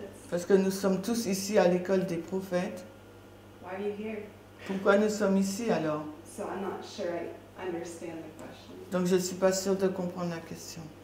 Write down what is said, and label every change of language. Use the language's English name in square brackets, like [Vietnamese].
[French] Parce que nous sommes tous ici à l'école des prophètes. [English] Why are you here? [French] Pourquoi nous sommes ici alors? [English] So I'm not sure I understand the question. [French] Donc je ne suis pas sûre de comprendre la question.